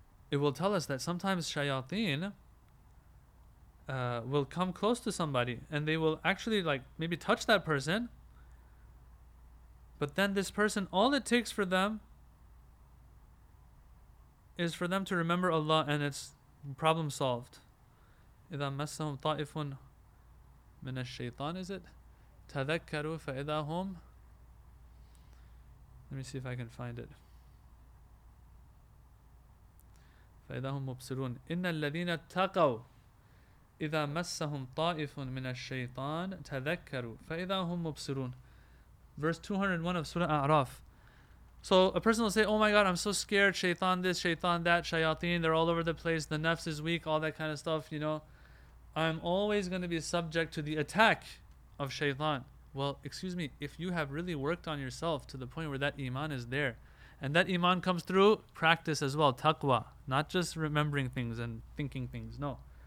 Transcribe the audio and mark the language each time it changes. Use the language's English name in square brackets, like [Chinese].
[English] It will tell us that sometimes shayateen will come close to somebody and they will actually like maybe touch that person, but then this person, all it takes for them is for them to remember Allah and it's problem solved. [Arabic] إذا مسهم طائف من الشيطان [English] is it [Arabic] تذكروا فإذا هم. [English] Let me see if I can find it. [Arabic] فإذا هم مبصرون إن الذين تقوا إذا مسهم طائف من الشيطان تذكروا فإذا هم مبصرون. [English] Verse 201 of Surah A'raf. So a person will say, oh my God, I'm so scared, shaitan this, shaitan that, shayateen, they're all over the place, the nafs is weak, all that kind of stuff, you know, I'm always going to be subject to the attack of shaytan. Well, excuse me, if you have really worked on yourself to the point where that iman is there, and that iman comes through practice as well, taqwa, not just remembering things and thinking things, no.